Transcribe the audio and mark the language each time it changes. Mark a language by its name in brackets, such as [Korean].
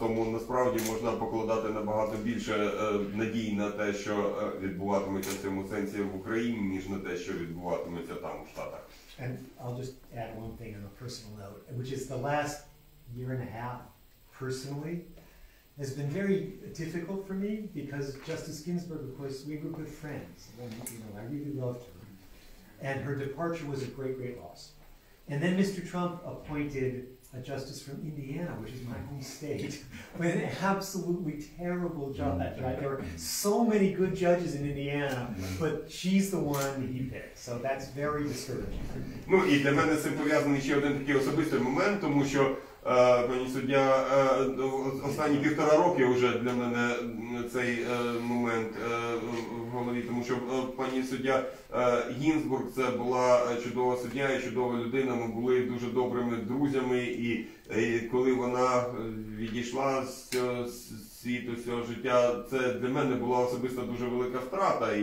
[Ukrainian] Тому насправді можна покладати набагато більше надій на те, що відбуватиметься в цьому сенсі в Україні, ніж на те, що відбуватиметься там. [English] And I'll just add one thing on a personal note, which is the last year and a half, personally, has been very difficult for me because Justice Ginsburg, of course, we were good friends. And, you know, I really loved her. And her departure was a great, great loss. And then Mr. Trump appointed a justice from Indiana, which is my home state, with an absolutely terrible judge. Right? There are so many good judges in Indiana, but she's the one he picked. So that's very discouraging. [Ukrainian] Ну, і для мене це пов'язаний ще один такий особистий момент, тому що пані суддя, останні півтора роки вже для мене цей момент в голові, тому що пані суддя Гінзбург це була чудова суддя і чудова людина, ми були дуже добрими друзями, і коли вона відійшла з світу, з цього життя, це для мене була особисто дуже велика втрата.